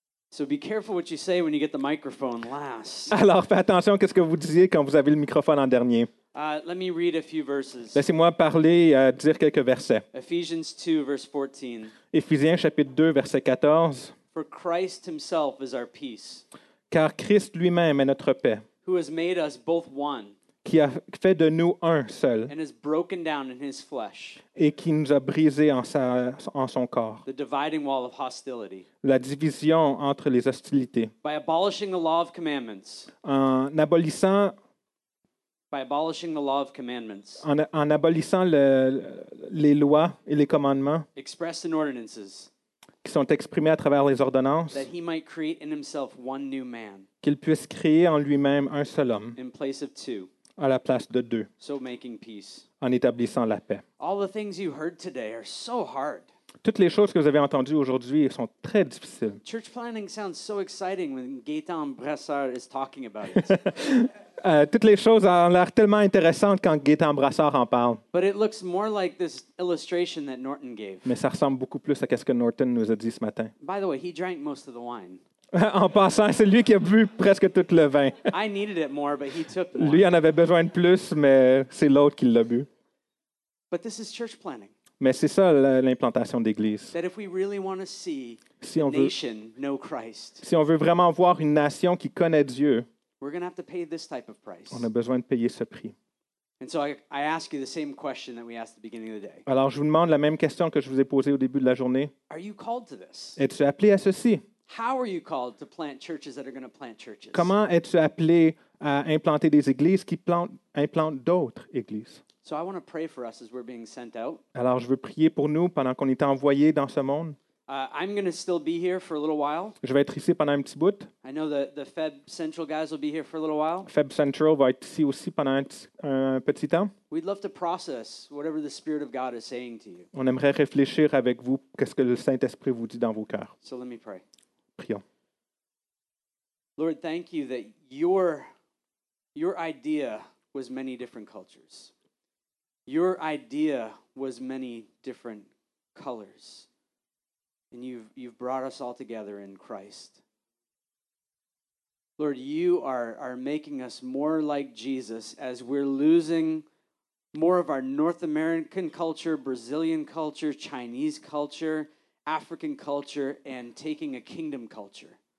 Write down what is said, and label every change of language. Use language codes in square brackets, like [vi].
[en] So be careful what you say when you get the microphone last. [fr] Alors, faites attention à ce que vous disiez quand vous avez le microphone en dernier. [en] Let me read a few verses. [fr] Laissez-moi parler, dire quelques versets. [en] Ephesians 2, verse 14. [fr] Ephésiens, chapitre 2, verset 14. [en] For Christ himself is our peace. [fr] Car Christ lui-même est notre paix. [en] Who has made us both one. [fr] Qui a fait de nous un seul. [en] And has broken down in his flesh. [fr] Et qui nous a brisé en, sa, en son corps. [en] The dividing wall of hostility. [fr] La division entre les hostilités. [en] By abolishing the law of commandments. [fr] En abolissant... [en] By abolishing the law of commandments. [fr] En abolissant les lois et les commandements. [en] Expressed in ordinances. [fr] Qui sont exprimés à travers les ordonnances. [en] That he might create in himself one new man. [fr] Qu'il puisse créer en lui-même un seul homme. [en] In place of two. [fr] À la place de deux. [en] So making peace. [fr] En établissant la paix. [en] All the things you heard today are so hard. [fr] Toutes les choses que vous avez entendues aujourd'hui sont très difficiles. [en] Church planning sounds so exciting when Gaëtan Brassard is talking about it. [fr] Toutes les choses ont l'air tellement intéressantes quand Gaëtan Brassard en parle. [en] But it looks more like this illustration that Norton gave. [fr] Mais ça ressemble beaucoup plus à ce que Norton nous a dit ce matin. [en] By the way, he drank most of the wine. [fr] En passant, c'est lui qui a bu presque tout le vin. [en] I needed it more, but he took more. [fr] Lui en avait besoin de plus, mais c'est l'autre qui l'a bu. [en] But this is church planning. [fr] Mais c'est ça l'implantation d'église. [en] That if we really want to see [fr] si, on veut, [en] nation know Christ, [fr] si on veut vraiment voir une nation qui connaît Dieu, [en] we're going to have to pay this type of price. [fr] On a besoin de payer ce prix. [en] And so I ask you the same question that we asked at the beginning of the day. [fr] Alors je vous demande la même question que je vous ai posée au début de la journée. [en] Are you called to this? [fr] Es-tu appelé à ceci? [en] How are you called to plant churches that are going to plant churches? [fr] Comment es-tu appelé à implanter des églises qui implantent d'autres églises? [en] So I want to pray for us as we're being sent out. [fr] Alors je veux prier pour nous pendant qu'on est envoyé dans ce monde. [en] I'm going to still be here for a little while. [fr] Je vais être ici pendant un petit bout. [en] I know the Feb Central guys will be here for a little while. [fr] Feb Central va être ici aussi pendant un petit temps. [en] We'd love to process whatever the Spirit of God is saying to you. [fr] On aimerait réfléchir avec vous qu'est-ce que le Saint-Esprit vous dit dans vos cœurs. [en] So let me pray. [fr] Prions. [en] Lord, thank you that your idea was many different cultures. Your idea was many different colors. And you've brought us all together in Christ. Lord, you are making us more like Jesus as we're losing more of our North American culture, Brazilian culture, Chinese culture, African culture, and taking a kingdom culture.